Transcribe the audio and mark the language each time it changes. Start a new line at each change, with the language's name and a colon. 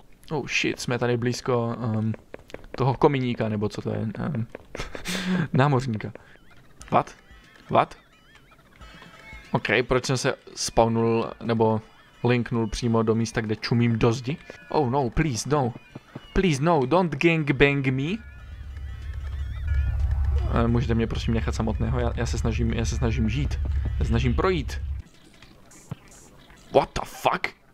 Czech: Oh shit, jsme tady blízko toho kominíka, nebo co to je. námořníka.
English: What? What?
Czech: Ok, proč jsem se spawnul, nebo linknul přímo do místa, kde čumím do zdi?
English: Oh no, please, no. Please, no, don't gangbang me.
Czech: Můžete mě prosím nechat samotného, já se snažím žít. Já se snažím projít.
English: What the fuck?